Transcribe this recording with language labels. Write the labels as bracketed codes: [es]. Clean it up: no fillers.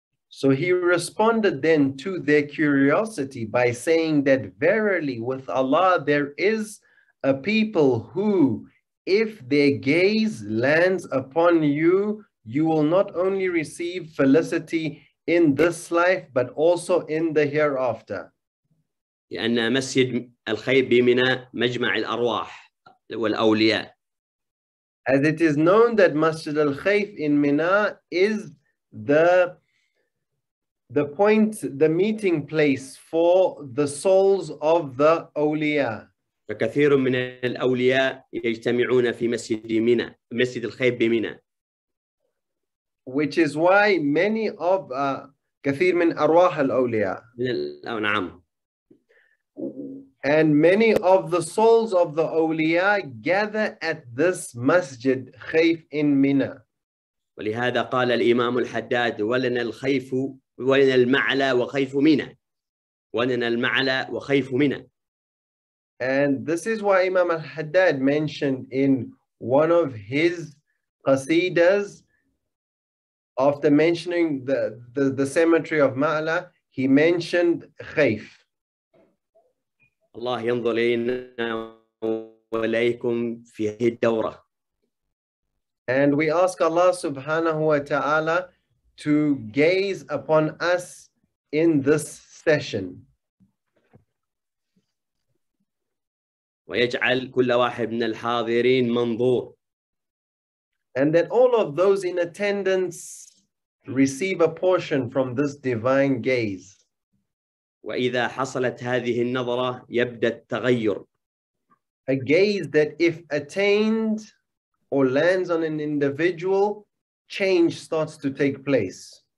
[en] So he responded then to their curiosity by saying that verily with Allah there is a people who, if their gaze lands upon you, you will not only receive felicity in this life, but also in the hereafter. [ar] لأن مسجد الخيب بميناء مجمع الأرواح والأولياء. [en] As it is known that Masjid al-Khayf in Mina is the point, the meeting place for the souls of the awliya. [ar] فكثير من الأولياء يجتمعون في مسجد مينا, مسجد الخيب بمينا. [en] Which is why many of [ar] كثير من أرواح الأولياء. نعم. [en] And many of the souls of the awliya gather at this masjid Khayf in Mina. [ar] ولهذا قال الإمام الحداد ولنا الخيف ولنا المعلى وخيف مينا ولنا المعلى وخيف مينا. [en] And this is why Imam al-Haddad mentioned in one of his qasidas, after mentioning the cemetery of Ma'la, he mentioned Khayf. [ar] الله ينظر إلينا وإليكم في هذه الدورة. [en] And we ask Allah subhanahu wa ta'ala to gaze upon us in this session. [ar] ويجعل كل واحد من الحاضرين منظور. [en] And that all of those in attendance receive a portion from this divine gaze. [ar] وإذا حصلت هذه النظرة يبدأ التغير. [en] A gaze that if attained or lands on an individual, change starts to take place.